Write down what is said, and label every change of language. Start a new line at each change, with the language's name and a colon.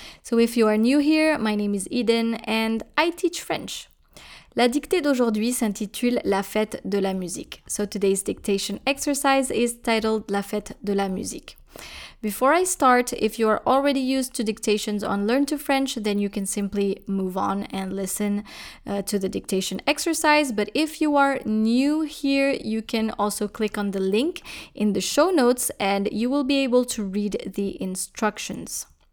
English: So if you are new here, my name is Eden and I teach French.
French: La dictée d'aujourd'hui s'intitule La fête de la musique.
English: So today's dictation exercise is titled La fête de la musique. Before I start, if you are already used to dictations on Learn to French, then you can simply move on and listen to the dictation exercise. But if you are new here, you can also click on the link in the show notes and you will be able to read the instructions.